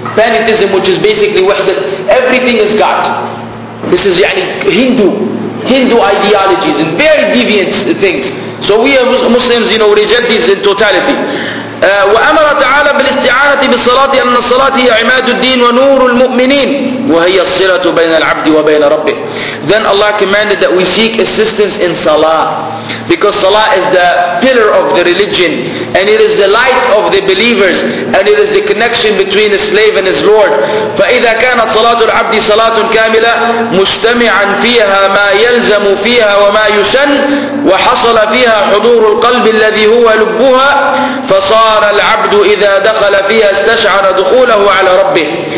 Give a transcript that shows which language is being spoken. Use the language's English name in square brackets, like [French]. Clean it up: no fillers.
[English] Pantheism, which is basically wahdat, everything is God. This is yani Hindu ideologies and very deviant things. So we as Muslims, you know, reject these in totality. [Arabic] وأمر تعالى بالاستعانة بالصلاة أن الصلاة هي عماد الدين ونور المؤمنين وهي الصلة بين العبد وبين ربه. [English] Then Allah commanded that we seek assistance in salah, because salah is the pillar of the religion, and it is the light of the believers, and it is the connection between the slave and his Lord. [Arabic] فإذا كانت صلاة العبد صلاة كاملة مجتمعا فيها ما يلزم فيها وما يسن وحصل فيها حضور القلب الذي هو لبها فصار العبد إذا دخل فيها استشعر دخوله على ربه.